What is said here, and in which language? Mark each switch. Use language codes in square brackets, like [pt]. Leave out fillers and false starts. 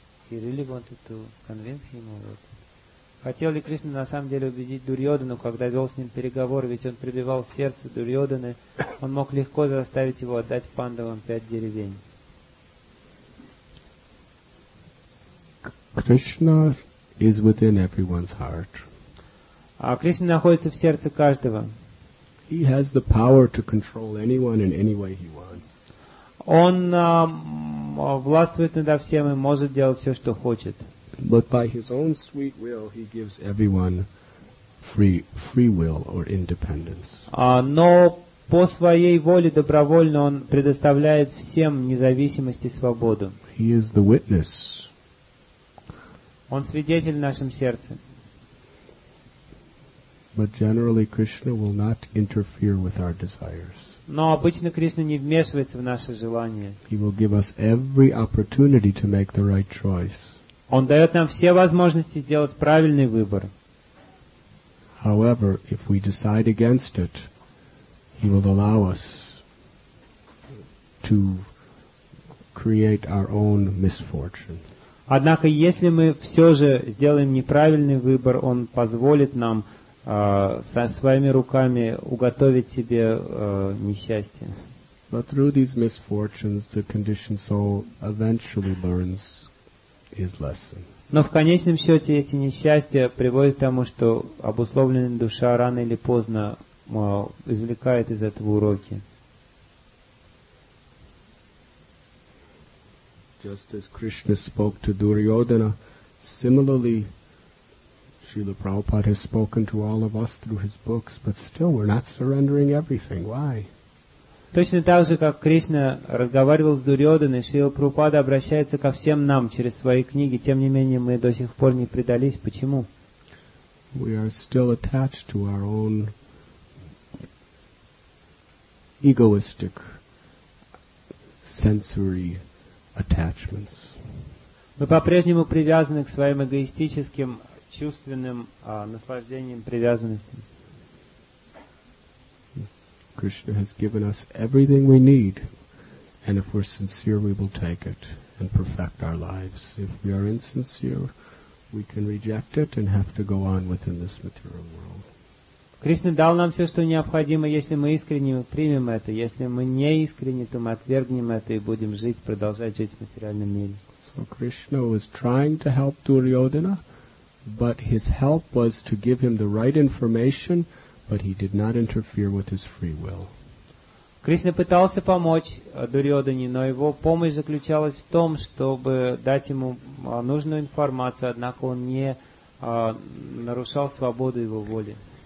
[en] He really wanted to convince him of it. [ru] Хотел ли Кришна на самом деле убедить Дурьодану, когда вел с ним переговоры, ведь он прибивал сердце Дурьоданы, он мог легко заставить его отдать Пандавам 5 деревень. [en] Krishna is within everyone's heart. [ru] А Кришна находится в сердце каждого. [en] He has the power to control anyone in any way he wants. [ru] Он властвует над всем и может делать все, что хочет. [en] But by his own sweet will, he gives everyone free will or independence. [ru] Но по своей воле добровольно он предоставляет всем независимость и свободу. [en] He is the witness. [ru] Он свидетель в нашем сердце. [en] But generally Krishna will not interfere with our desires. [ru] Но обычно Кришна не вмешивается в наши желания. [en] He will give us every opportunity to make the right choice. [ru] Он дает нам все возможности сделать правильный выбор. [en] However, if we decide against it, he will allow us to create our own misfortune. [ru] Однако, если мы все же сделаем неправильный выбор, он позволит нам со своими руками уготовить себе несчастье. [en] But through these misfortunes, the conditioned soul eventually learns his lesson. [ru] Но в конечном счете эти несчастья приводят к тому, что обусловленная душа рано или поздно извлекает из этого уроки. [en] Just as Krishna spoke to Duryodhana, similarly, Srila Prabhupada has spoken to all of us through his books, but still we're not surrendering everything. Why? [ru] Точно так же, как Кришна разговаривал с Дурьоданой, Шрила Прабхупада обращается ко всем нам через свои книги, тем не менее мы до сих пор не предались. Почему? [en] We are still attached to our own egoistic sensory attachments. [ru] Мы по-прежнему привязаны к своим эгоистическим чувственным наслаждениям, привязанностям. [en] Krishna has given us everything we need, and if we're sincere, we will take it and perfect our lives. If we are insincere, we can reject it and have to go on within this material world. [ru] Krishna дал нам все, что необходимо. Если мы искренне, мы примем это. Если мы не искренне, то мы отвергнем это и будем жить, продолжать жить в материальном мире. [en] So Krishna was trying to help Duryodhana, but his help was to give him the right information. But he did not interfere with his free will. [ru] Кришна пытался помочь Дурьодхане, но его помощь заключалась в том, чтобы дать ему нужную информацию, однако он не нарушал свободу его воли.